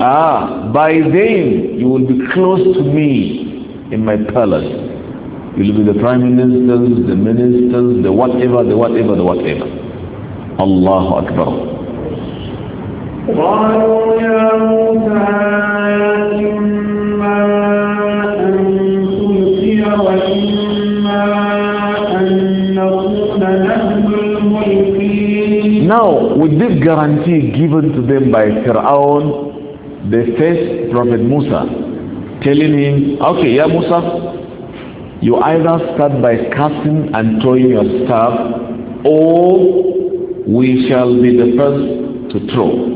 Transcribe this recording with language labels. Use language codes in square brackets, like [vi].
[en] Ah, by then you will be close to me in my palace. You will be the prime ministers, the ministers, the whatever, the whatever, the whatever. [ar] Allahu Akbar. قالوا يا موسى إما أن تلقي وإما أن نكون نحن الملقين. [en] Now, with this guarantee given to them by Fir'aun, they face Prophet Musa, telling him, okay, يا موسى, you either start by casting and throwing your staff, or we shall be the first to throw.